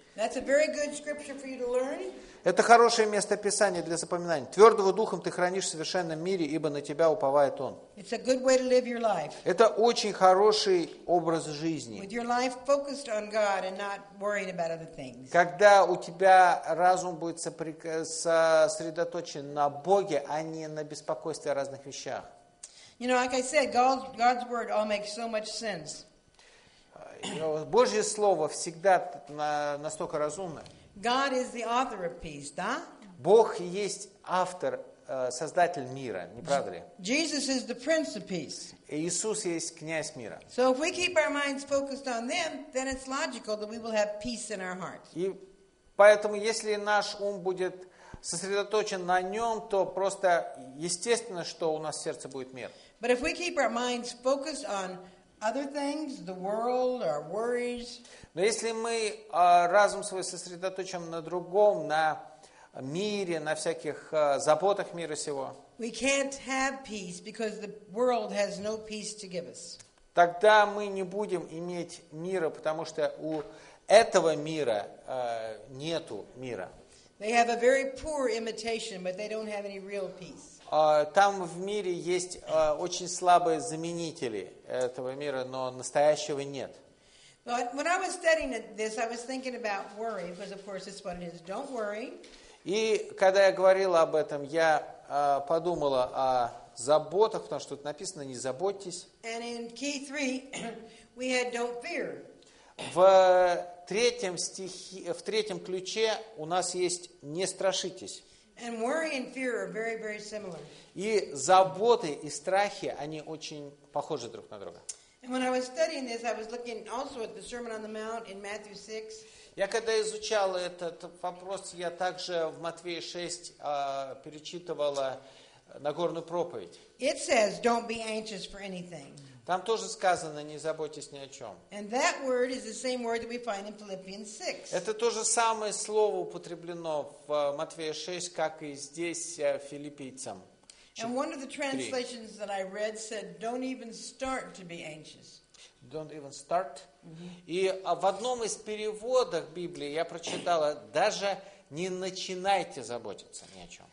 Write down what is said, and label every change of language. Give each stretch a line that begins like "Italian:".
English: That's a very good scripture for you to learn.
Russian: Это хорошее место Писания для запоминания. Твердого духом ты хранишь в совершенном мире, ибо на тебя уповает он.
English: It's a good way to live your life.
Russian: Это очень хороший образ жизни.
English: With your life focused on God and not worrying about other things.
Russian: Когда у тебя разум будет сосредоточен на Боге, а не на беспокойстве о разных вещах.
English: You know, like I said, God's word all makes so much sense.
Russian: Божье слово всегда настолько разумно.
English: God is the author of peace, да?
Russian: Бог есть автор, создатель мира, не правда ли?
English: Jesus is the prince of peace.
Russian: Иисус есть князь мира.
English: So if we keep our minds focused on them, then it's logical that we will have peace in our hearts.
Russian: И поэтому, если наш ум будет сосредоточен на нем, то просто естественно, что у нас в сердце будет мир.
English: But if we keep our minds focused on other things, the world, our worries.
Russian: Но если мы разум свой сосредоточим на другом, на мире, на всяких заботах мира сего,
English: we can't have peace because the world has no peace to give us.
Russian: Тогда мы не будем иметь мира, потому что у этого мира нету мира.
English: They have a very poor imitation, but they don't have any real peace.
Russian: Там в мире есть очень слабые заменители этого мира, но настоящего нет.
English: When I was studying this, I was thinking about worry, because of course it's what it is. Don't worry.
Russian: И когда я говорила об этом, я подумала о заботах, потому что тут написано: не заботьтесь.
English: And in key 3, we had don't fear.
Russian: В третьем ключе у нас есть не страшитесь.
English: And worry and fear are very, very similar.
Russian: И заботы и страхи, они очень похожи друг на друга.
English: And when I was studying this, I was looking also at the Sermon on the Mount in Matthew 6.
Russian: Я когда изучал этот вопрос, я также в Матфея 6 перечитывала Нагорную проповедь.
English: It says, "Don't be anxious for anything."
Russian: Там тоже сказано: не заботьтесь ни о чем.
English: And that word is the same word that we find in Philippians 6.
Russian: Это то же самое слово употреблено в Матфея 6, как и здесь филиппийцам.
English: And one of the translations that I read said, "Don't even start to be anxious." Don't even start. Mm-hmm.
Russian: И в одном из переводов Библии я прочитала: даже не начинайте заботиться ни о чем.